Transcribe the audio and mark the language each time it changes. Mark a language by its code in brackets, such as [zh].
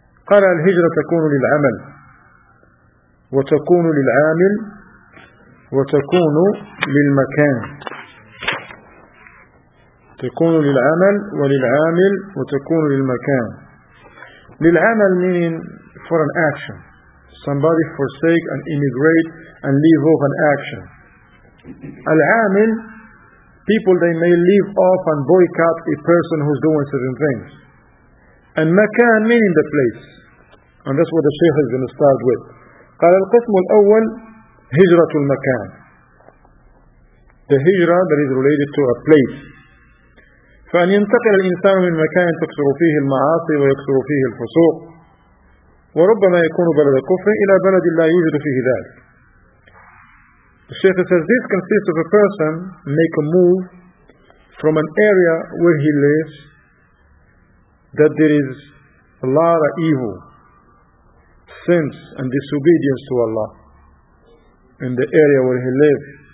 [ar] قال الهجرة تكون للعمل وتكون للعامل وتكون للمكان. تكون للعمل وللعامل وتكون للمكان. [en] للعمل meaning for an action. Somebody forsake and immigrate and leave off an action. العامل, people they may leave off and boycott a person who's doing certain things. And مكان meaning the place. And that's what the Shaykh is going to start with. [ar] قال القسم الأول هجرة المكان. [en] The hijra that is related to a place. [ar] فأن ينتقل الإنسان من مكان تكثر فيه المعاصي ويكثر فيه الفسوق وربما يكون بلد كفر إلى بلد لا يوجد فيه ذلك. [en] The Shaykh says this consists of a person make a move from an area where he lives that there is a lot of evil, sins and disobedience to Allah in the area where he lives.